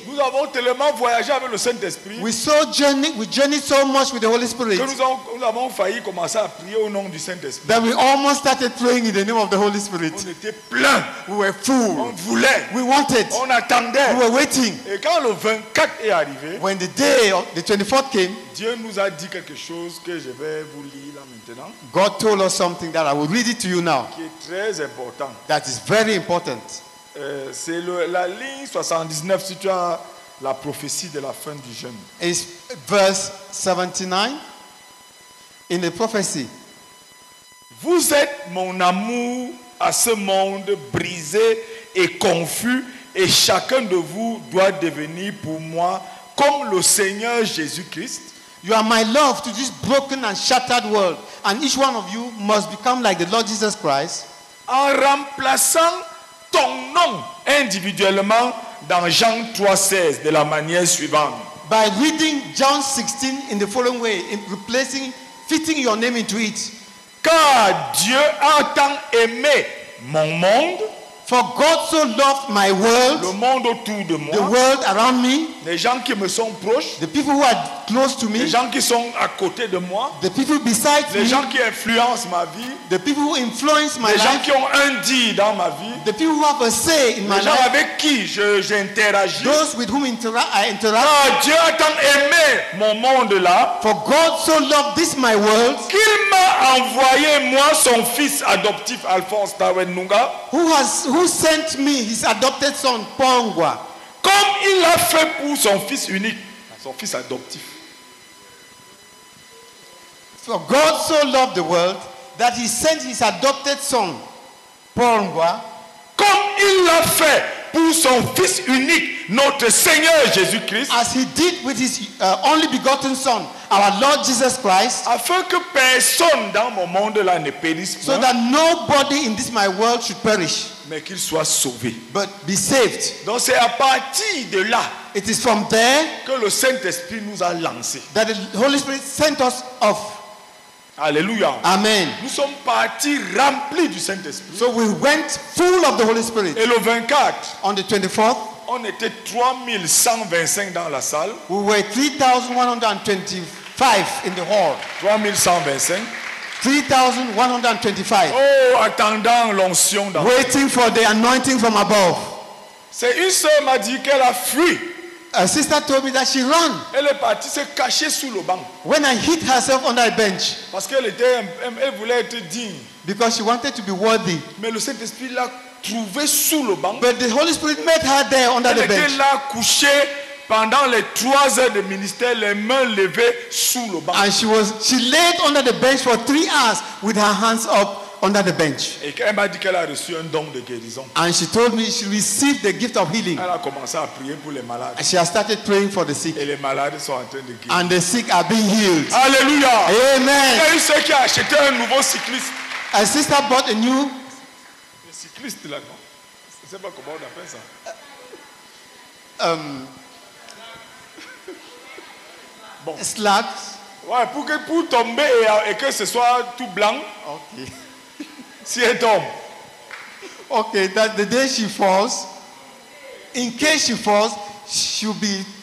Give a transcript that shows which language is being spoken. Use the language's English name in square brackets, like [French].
[French] Nous avons tellement voyagé avec le Saint-Esprit. [English] We journeyed so much with the Holy Spirit. [French] Que nous avons failli commencer à prier au nom du Saint-Esprit. [English] That we almost started praying in the name of the Holy Spirit. [French] On était plein. [English] We were full. [French] On voulait. [English] We wanted. [French] On attendait. [English] We were waiting. [French] Et quand le 24 est arrivé, [English] when the day of the 24th came, [French] Dieu nous a dit quelque chose que je vais vous lire là maintenant. [English] God told us something that I will read it to you now. [French] Qui est très important. [English] That is very important. [French] C'est la ligne 79 si tu as la prophétie de la fin du jeûne. [English] It's verse 79 in the prophecy. [French] Vous êtes mon amour à ce monde brisé et confus, et chacun de vous doit devenir pour moi comme le Seigneur Jésus-Christ. [English] You are my love to this broken and shattered world, and each one of you must become like the Lord Jesus Christ. [French] En remplaçant ton nom individuellement dans Jean 3:16 de la manière suivante. [English] By reading John 16 in the following way, in replacing, fitting your name into it. [French] Car Dieu a tant aimé mon monde. [English] For God so loved my world. [French] Le monde autour de moi. [English] The world around me. [French] Les gens qui me sont proches. [English] The people who are close to me. [French] Les gens qui sont à côté de moi. [English] The people beside [French] me. Les gens qui influencent ma vie. [English] The people who influence my life. [French] Les gens qui ont un dit dans ma vie. [English] The people who have a say in my life. [French] Les gens avec qui j'interagis. [English] Those with whom I interact. [French] Ah, Dieu a tant aimé mon monde là. [English] For God so loved this my world. [French] Qu'il m'a envoyé moi son fils adoptif Alphonse Tawenunga. [English] Who sent me his adopted son Pongwa? [French] Comme il l'a fait pour son fils unique, son fils adoptif. [English] For God so loved the world that he sent his adopted son Pongwa. [French] Comme il l'a fait pour son fils unique, notre Seigneur Jésus-Christ. [English] As he did with his only begotten son, our Lord Jesus Christ. [French] Afin que personne dans mon monde là ne périsse point. [English] So that nobody in this my world should perish. [French] Mais qu'il soit sauvé. [English] But be saved. [French] Donc c'est à partir de là. [English] It is from there. [French] Que le Saint-Esprit nous a lancé. [English] That the Holy Spirit sent us off. [French] Alléluia. [English] Amen. [French] Nous sommes partis remplis du Saint-Esprit. [English] So we went full of the Holy Spirit. [French] Et le 24. [English] On the 24th. [French] On était 3125 dans la salle. [English] We were 3125 in the hall. [French] 3125. [English] 3125. [French] Oh, attendant l'onction d'en. [English] Waiting for the anointing from above. [French] C'est une sœur m'a dit qu'elle a fui. [English] A sister told me that she ran. [French] Elle est partie se cacher sous le banc. [English] When I hid herself under a bench. [French] Parce qu'elle était, elle voulait être digne. [English] Because she wanted to be worthy. [French] Mais le Saint-Esprit l'a trouvée sous le banc. [English] But the Holy Spirit met her there under [French] elle [English] the bench. [French] Elle était là couchée pendant les 3 heures de ministère, les mains levées sous le banc. [English] And she laid under the bench for 3 hours with her hands up under the bench. [French] Et elle m'a dit qu'elle a reçu un don de guérison. [English] And she told me she received the gift of healing. [French] Elle a commencé à prier pour les malades. [English] And she has started praying for the sick. [French] Et les malades sont en train de guérir. [English] And the sick are being healed. [French] Alléluia. [English] Amen. [French] Et une sœur qui a acheté un nouveau cycliste. [English] A sister bought a new. [French] Le cycliste là, non? Je ne sais pas comment on appelle ça. Bon. Slats. Ouais, pour tomber et que ce soit tout blanc. Ok. Si elle tombe. [English] Ok, that the day she falls, in case she falls, she'll be.